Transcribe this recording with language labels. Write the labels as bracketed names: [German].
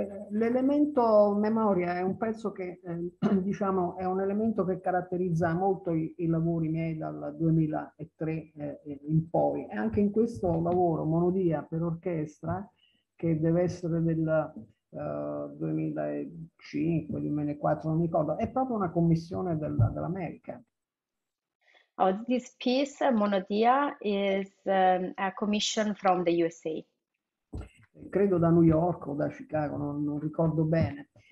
[Italian] L'elemento memoria è un pezzo che, diciamo, è un elemento che caratterizza molto i lavori miei dal 2003 in poi. E anche in questo lavoro, Monodia per orchestra, che deve essere del 2005, 2004, non mi ricordo, è proprio una commissione dell'America. [English] Oh, this piece, Monodia, is a commission from the USA. [Italian] Credo da New York o da Chicago, non ricordo bene.